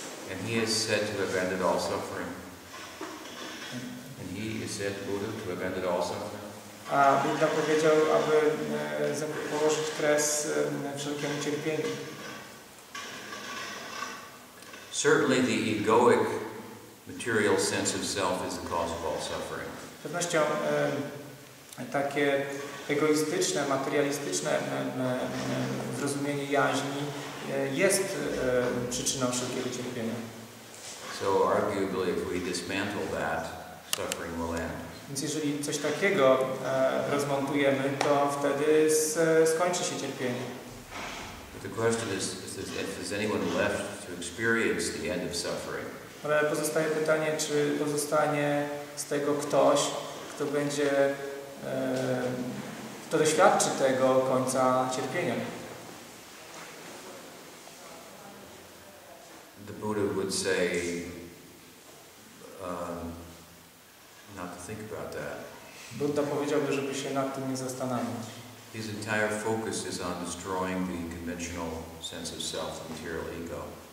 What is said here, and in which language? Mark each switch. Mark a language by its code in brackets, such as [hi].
[en] And he is said to have ended all suffering. And he is said, Buddha, to have ended all suffering. [pl] A Buddha powiedział, aby położyć kres wszelkiemu cierpieniu. [en] Certainly the egoic material sense of self is the cause of all suffering. [pl] Z pewnością takie egoistyczne, materialistyczne zrozumienie jaźni jest przyczyną wszelkiego cierpienia. [en] So arguably, if we dismantle that, suffering will end. [pl] Więc jeżeli coś takiego rozmontujemy, to wtedy skończy się cierpienie. [en] But the question is if there's anyone left to experience the end of suffering. [pl] Ale pozostaje pytanie, czy pozostanie z tego ktoś, kto będzie, kto doświadczy tego końca cierpienia. [en] The Buddha would say, not to think about that. [pl] Buddha powiedziałby, żeby się nad tym nie zastanawiać. [en] His entire focus is on destroying the conventional sense of self, material ego.